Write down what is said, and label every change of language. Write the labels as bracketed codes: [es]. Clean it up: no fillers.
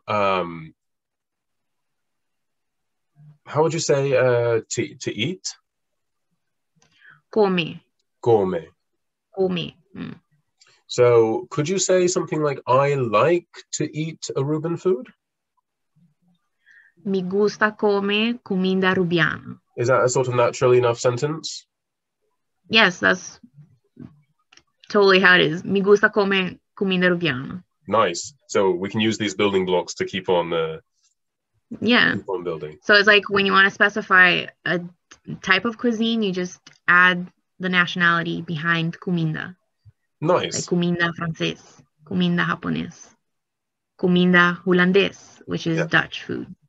[en] How would you say to eat? [pap] Come. Come. Come. Mm. [en] So could you say something like I like to eat Aruban food? [pap] Mi gusta come comida rubiana. [en] Is that a sort of natural enough sentence? Yes, that's totally how it is. [pap] Mi gusta come comida rubiana. [en] Nice. So we can use these building blocks to keep on keep on building. So it's like when you want to specify a type of cuisine, you just add the nationality behind comida. Nice. Like [es] comida francés, comida japonés, comida holandés, [en] which is Dutch food.